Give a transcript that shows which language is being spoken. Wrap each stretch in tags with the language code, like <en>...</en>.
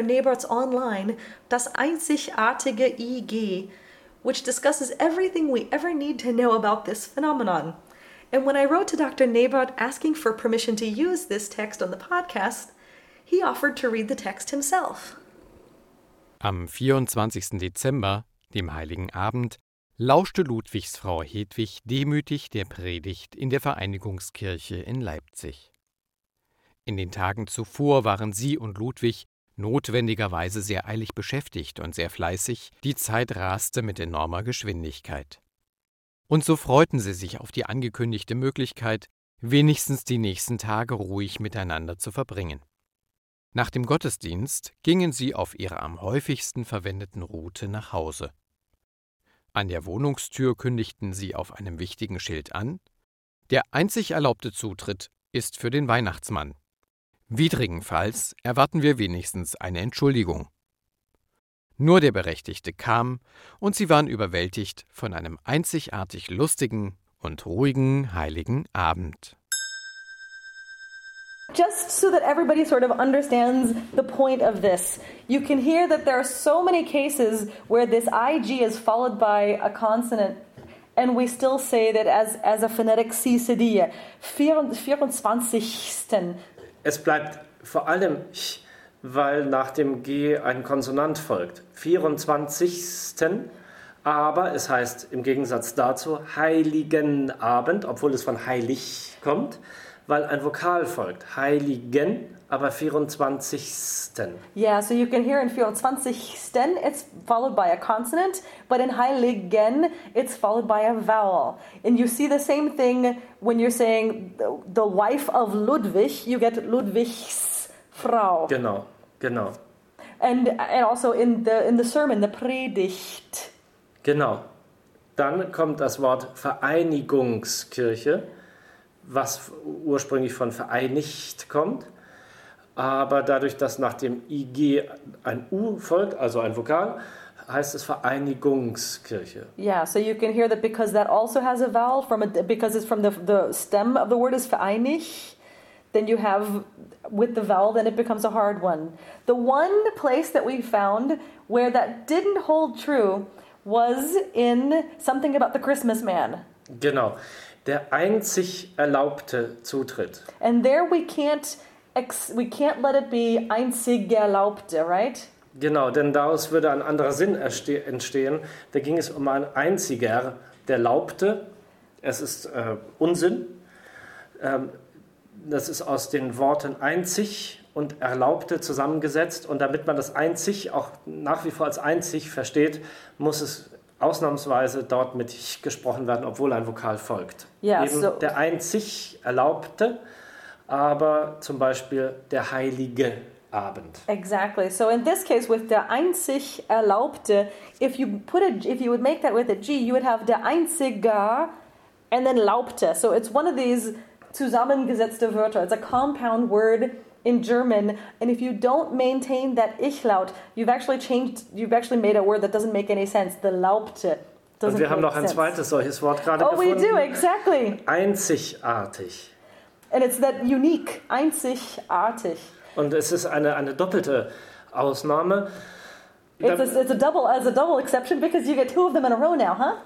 <en>Nebert's online,</en> <de>Das einzigartige IG,</de> <en>which discusses everything we ever need to know about this phenomenon. And when I wrote to Dr. Nebert asking for permission to use this text on the podcast, he offered to read the text himself.</en> <de>Am 24. Dezember, dem Heiligen Abend, lauschte Ludwigs Frau Hedwig demütig der Predigt in der Vereinigungskirche in Leipzig. In den Tagen zuvor waren sie und Ludwig notwendigerweise sehr eilig beschäftigt und sehr fleißig, die Zeit raste mit enormer Geschwindigkeit. Und so freuten sie sich auf die angekündigte Möglichkeit, wenigstens die nächsten Tage ruhig miteinander zu verbringen. Nach dem Gottesdienst gingen sie auf ihrer am häufigsten verwendeten Route nach Hause. An der Wohnungstür kündigten sie auf einem wichtigen Schild an: Der einzig erlaubte Zutritt ist für den Weihnachtsmann. Widrigenfalls erwarten wir wenigstens eine Entschuldigung. Nur der Berechtigte kam und sie waren überwältigt von einem einzigartig lustigen und ruhigen heiligen Abend.</de> <en>Just so that everybody sort of understands the point of this, you can hear that there are so many cases where this IG is followed by a consonant, and we still say that as a phonetic C cedilla, 24.</en> <de>Es bleibt vor allem ch, weil nach dem G ein Konsonant folgt, 24. Aber es heißt im Gegensatz dazu Heiligen Abend, obwohl es von heilig kommt, weil ein Vokal folgt, Heiligen, aber 24.</de> <en>Yeah, so you can hear in 24. It's followed by a consonant, but in Heiligen, it's followed by a vowel. And you see the same thing when you're saying the wife of Ludwig, you get</en> <de>Ludwigs Frau. Genau, genau.</de> <en>And also in the sermon, the Predigt.</en> <de>Genau. Dann kommt das Wort Vereinigungskirche, was ursprünglich von vereinigt kommt, aber dadurch, dass nach dem IG ein U folgt, also ein Vokal, heißt es Vereinigungskirche.</de> <en>Yeah, so you can hear that because that also has a vowel, because it's from the stem of the word is vereinig, then you have with the vowel, then it becomes a hard one. The one place that we found where that didn't hold true was in something about the Christmas man.</en> <de>Genau. Der einzig erlaubte Zutritt.</de> <en>And there we can't let it be einzig erlaubte, right?</en> <de>Genau, denn daraus würde ein anderer Sinn entstehen. Da ging es um einen einziger, der erlaubte. Es ist Unsinn. Das ist aus den Worten einzig und erlaubte zusammengesetzt. Und damit man das einzig auch nach wie vor als einzig versteht, muss es ausnahmsweise dort mit ich gesprochen werden, obwohl ein Vokal folgt.</de> <en>Yeah,</en> <de>eben</de> <en>so</en> <de>der einzig erlaubte, aber zum Beispiel der heilige Abend.</de> <en>Exactly. So in this case with</en> <de>der einzig erlaubte,</de> <en>if you would make that with a G, you would have der einziger and then laubte. So it's one of these</en> <de>zusammengesetzte Wörter.</de> <en>It's a compound word in German, and if you don't maintain that ich-laut, you've actually made a word that doesn't make any sense. The laubte doesn't make sense.</en> <de>Ein zweites solches Wort gerade gefunden.</de> <en>Oh, we do, exactly.</en> <de>Einzigartig.</de> <en>And it's that unique, einzigartig.</en> <de>Und es ist eine doppelte Ausnahme.</de> <en>It's a double exception because you get two of them in a row now, huh?</en>